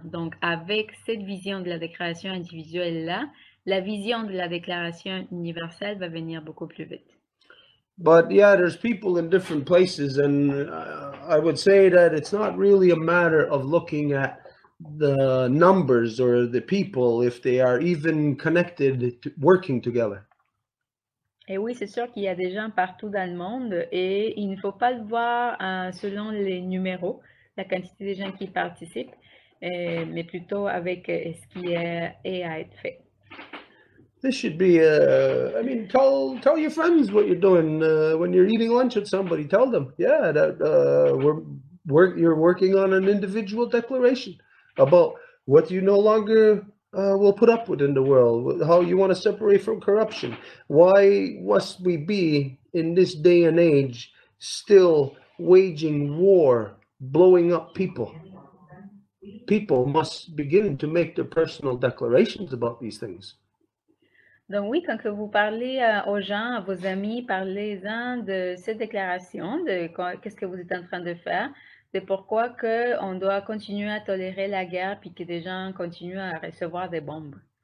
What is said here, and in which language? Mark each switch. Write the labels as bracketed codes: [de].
[fr] Donc, avec cette vision de la déclaration individuelle-là, la vision de la déclaration universelle va venir beaucoup plus vite. [en] But yeah, there's people in different places, and I would say that it's not really a matter of looking at the numbers or the people, if they are even connected, working together. [fr] Et oui, c'est sûr qu'il y a des gens partout dans le monde et il ne faut pas le voir selon les numéros, la quantité des gens qui participent, mais plutôt avec ce qui est à être fait. [en] This should be, tell your friends what you're doing when you're eating lunch with somebody. Tell them, yeah, that you're working on an individual declaration about what you no longer will put up with in the world, how you want to separate from corruption. Why must we be in this day and age still waging war, blowing up people? People must begin to make their personal declarations about these things. [fr] Donc oui, quand vous parlez aux gens, à vos amis, parlez-en de cette déclaration, de qu'est-ce que vous êtes en train de faire, de pourquoi qu'on doit continuer à tolérer la guerre puis que des gens continuent à recevoir des bombes.